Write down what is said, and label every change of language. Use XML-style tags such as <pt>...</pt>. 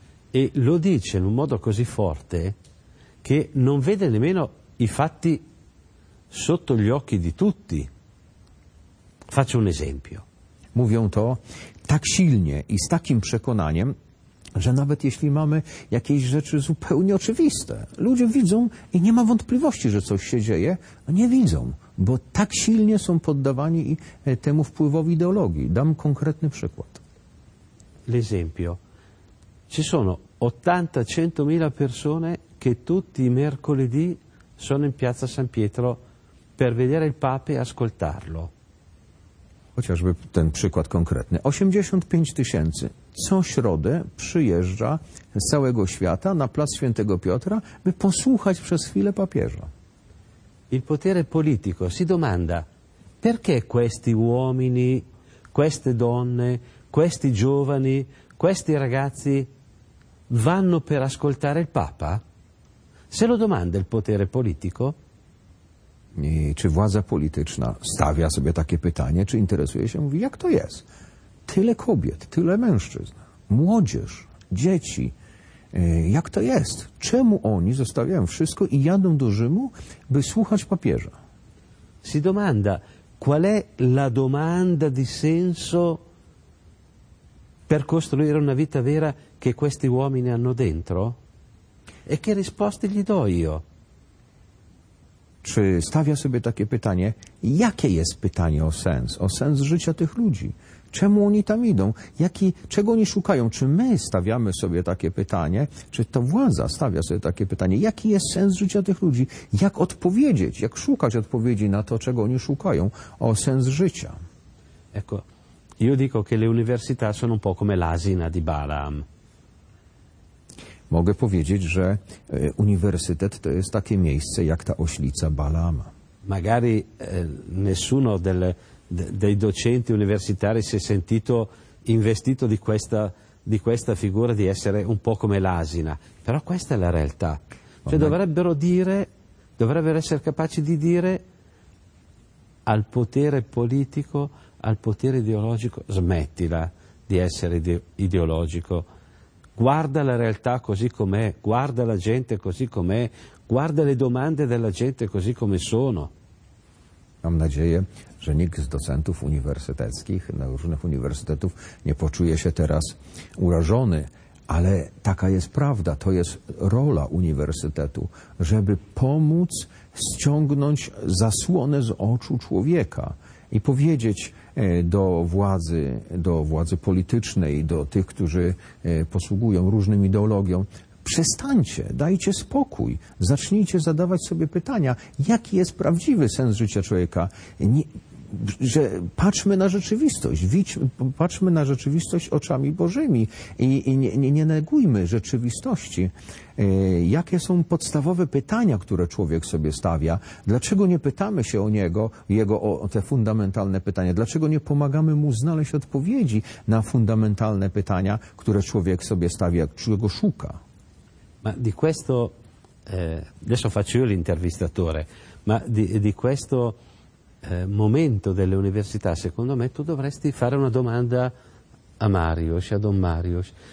<it>E lo dice in un modo così forte che non vede nemmeno i fatti sotto gli occhi di tutti. Faccio un esempio.</it> <pl>Mówią to tak silnie i z takim przekonaniem, że nawet jeśli mamy jakieś rzeczy zupełnie oczywiste, ludzie widzą i nie ma wątpliwości, że coś się dzieje, a nie widzą, bo tak silnie są poddawani temu wpływowi ideologii. Dam konkretny przykład.</pl> <it>L'esempio. Ci sono 80-100.000 persone che tutti i mercoledì sono in piazza San Pietro per vedere il Papa e ascoltarlo.</it> <pl>Chociażby ten przykład konkretny. 85 tysięcy co środę przyjeżdża z całego świata na plac świętego Piotra, by posłuchać przez chwilę papieża.</pl> <it>Il potere politico si domanda perché questi uomini, queste donne, questi giovani, questi ragazzi vanno per ascoltare il Papa? Se lo domanda il potere politico.</it> <pl>I czy władza polityczna stawia sobie takie pytanie, czy interesuje się, mówi, jak to jest? Tyle kobiet, tyle mężczyzn, młodzież, dzieci, jak to jest? Czemu oni zostawiają wszystko i jadą do Rzymu, by słuchać papieża?</pl> <it>Si domanda, qual è la domanda di senso per costruire una vita vera che questi uomini hanno dentro? E che risposte gli do io?</it> <pl>Czy stawia sobie takie pytanie, jakie jest pytanie o sens życia tych ludzi? Czemu oni tam idą? Czego oni szukają? Czy my stawiamy sobie takie pytanie, czy to władza stawia sobie takie pytanie, jaki jest sens życia tych ludzi? Jak odpowiedzieć, jak szukać odpowiedzi na to, czego oni szukają, o sens życia?</pl> <it>Ecco, io dico che le università sono un po' come l'asina di Balaam.</it> <pl>Mogę powiedzieć, że uniwersytet to jest takie miejsce jak ta oślica Balaama.</pl> <it>Magari nessuno dei docenti universitari si è sentito investito di questa figura di essere un po' come l'asina, però questa è la realtà. Cioè dovrebbero essere capaci di dire al potere politico, al potere ideologico, smettila di essere ideologico. Guarda la realtà così com'è, guarda la gente così com'è, guarda le domande della gente così come sono.</it> <pl>Mam nadzieję, że nikt z docentów uniwersyteckich, na różnych uniwersytetów, nie poczuje się teraz urażony, ale taka jest prawda, to jest rola uniwersytetu, żeby pomóc ściągnąć zasłonę z oczu człowieka i powiedzieć do władzy politycznej, do tych, którzy posługują różnym ideologiom, przestańcie, dajcie spokój, zacznijcie zadawać sobie pytania, jaki jest prawdziwy sens życia człowieka, że patrzmy na rzeczywistość, patrzmy na rzeczywistość oczami Bożymi i nie negujmy rzeczywistości. Jakie są podstawowe pytania, które człowiek sobie stawia? Dlaczego nie pytamy się o niego, o te fundamentalne pytania? Dlaczego nie pomagamy mu znaleźć odpowiedzi na fundamentalne pytania, które człowiek sobie stawia, czego szuka?</pl> <it>Ma di questo, adesso faccio io l'intervistatore, ma di questo momento delle università, secondo me, tu dovresti fare una domanda a Marius, a Don Marius.</it>